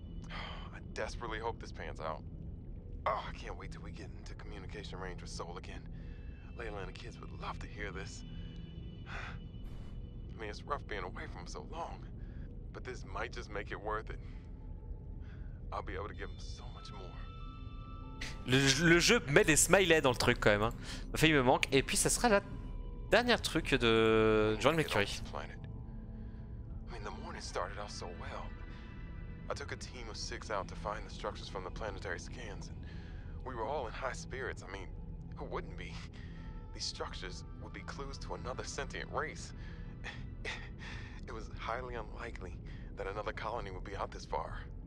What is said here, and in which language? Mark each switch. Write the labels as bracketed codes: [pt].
[en] I desperately hope this pans out. Oh, I can't wait till we get into communication range with Sol again. Layla and the kids would love to hear this. I mean, it's rough being away from so long, but this might just make it worth it. I'll be able to give them so much more. [fr] Le jeu met des smileys dans le truc quand même. Ma fille me manque, et puis ça sera la dernière truc de John McCurry. [en] I mean, the morning started off so well. I took a team of 6 out to find the structures from the planetary scans, and we were all in high spirits. I mean, who wouldn't be? These structures would be clues to another sentient race. It was highly unlikely that another colony would be out this far.